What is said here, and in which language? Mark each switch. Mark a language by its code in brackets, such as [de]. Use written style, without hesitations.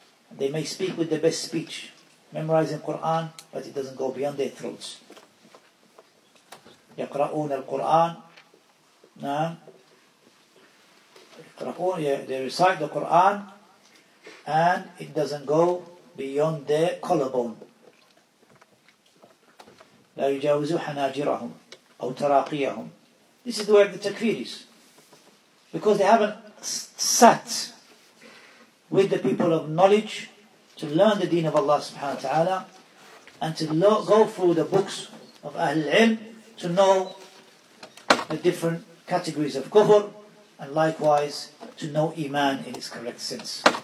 [en] They may speak with the best speech, memorizing Quran, but it doesn't go beyond their throats. [ar] يقرؤون القرآن. نعم. يقرؤون. [en] They recite the Quran, and it doesn't go beyond their collarbone. [ar] لا يجاوز حناجرهم أو تراقيهم. [en] This is the way of the takfiris, because they haven't sat with the people of knowledge to learn the deen of Allah subhanahu wa ta'ala and to go through the books of Ahlul Ilm to know the different categories of kufr and likewise to know Iman in its correct sense.